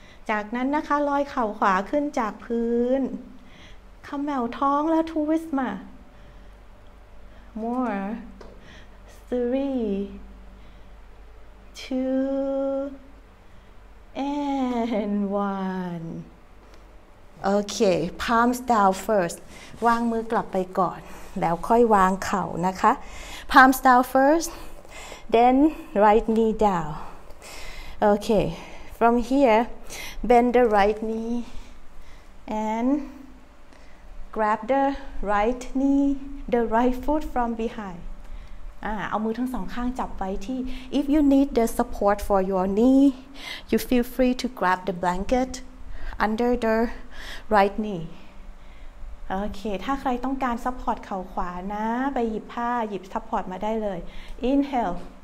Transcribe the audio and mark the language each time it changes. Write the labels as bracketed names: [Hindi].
[Thai] จากนั้นนะคะลอยเข่าขวาขึ้นจากพื้น Camel ท้องแล้ว twist มา [English] More, three, two, and one. Okay, palms down first. [Thai] วางมือกลับไปก่อนแล้วค่อยวางเข่านะคะ [English] Palms down first. Then right knee down. Okay, from here, bend the right knee and grab the right knee, the right foot from behind. [Thai] เอามือทั้งสองข้างจับไว้ที่ [English] If you need the support for your knee, you feel free to grab the blanket under the right knee. [Thai] Okay, ถ้าใครต้องการซัพพอร์ตเข่าขวานะไปหยิบผ้าหยิบซัพพอร์ตมาได้เลย Inhale.